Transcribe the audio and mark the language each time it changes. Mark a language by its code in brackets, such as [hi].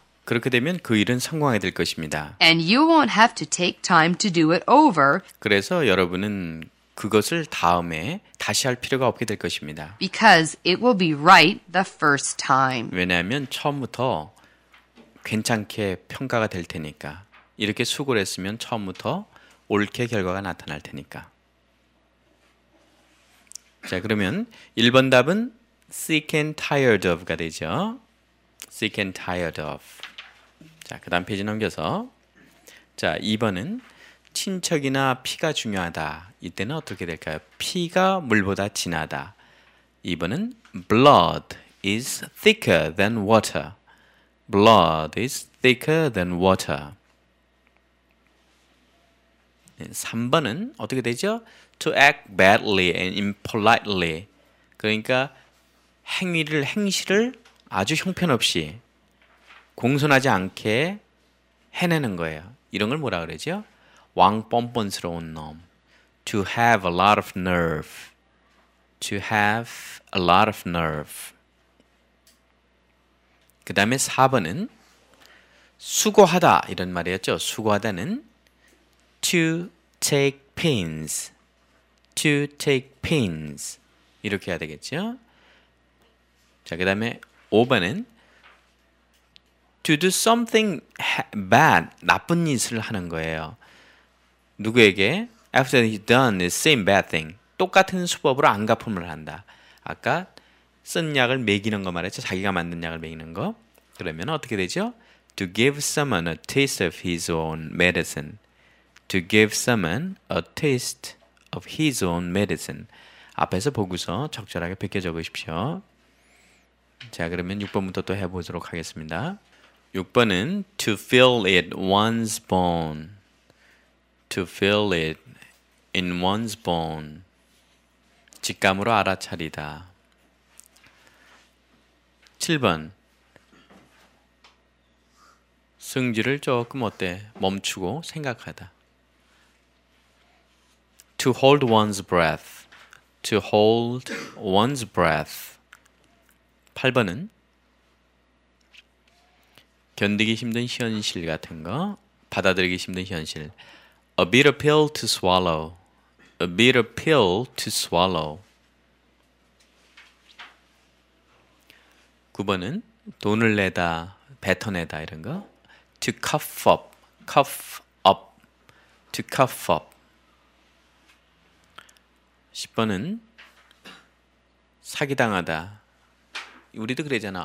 [ko] 그렇게 되면 그 일은 성공하게 될 것입니다. [en] And you won't have to take time to do it over. [ko] 그래서 여러분은 그것을 다음에 다시 할 필요가 없게 될 것입니다. [en] Because it will be right the first time. [ko] 왜냐하면 처음부터 괜찮게 평가가 될 테니까. 이렇게 수고를 했으면 처음부터 옳게 결과가 나타날 테니까. 자, 그러면 1번 답은 [en] sick and tired of [ko] 가 되죠. [en] sick and tired of. [ko] 자, 그 다음 페이지 넘겨서 자, 2번은 친척이나 피가 중요하다. 이때는 어떻게 될까요? 피가 물보다 진하다. [en] 2번은 blood is thicker than water. blood is thicker than water. [ko] 3번은 어떻게 되죠? [en] To act badly and impolitely. [ko] 그러니까 행실을 아주 형편없이 공손하지 않게 해내는 거예요. 이런 걸 뭐라 그러죠? 왕 뻔뻔스러운 놈. [en] To have a lot of nerve. To have a lot of nerve. [ko] 그 다음에 4번은 수고하다 이런 말이었죠. 수고하다는 [en] to take pains, to take pains [ko] 이렇게 해야 되겠죠. 자, 그 다음에 5번은 [en] to do something bad, [ko] 나쁜 짓을 하는 거예요. 누구에게? [en] After he's done the same bad thing, [ko] 똑같은 수법으로 안갚음을 한다. 아까 쓴 약을 먹이는 거 말했죠. 자기가 만든 약을 먹이는 거. 그러면 어떻게 되죠? [en] To give someone a taste of his own medicine. To give someone a taste of his own medicine. [ko] 앞에서 보고서 적절하게 베껴 적으십시오. 자, 그러면 6번부터 또 해보도록 하겠습니다. [en] 6번은 to fill it one's bone. To fill it in one's bone. [ko] 직감으로 알아차리다. 7번 승질을 조금 어때? 멈추고 생각하다. [en] To hold one's breath. To hold one's breath. [ko] 8번은 견디기 힘든 현실 같은 거, 받아들이기 힘든 현실. [en] A bitter pill to swallow. A bitter pill to swallow. [ko] 9번은 돈을 내다, 뱉어내다 이런 거. [en] To cough up. Cough up. To cough up. [ko] 10번은 사기당하다. 우리도 그러잖아.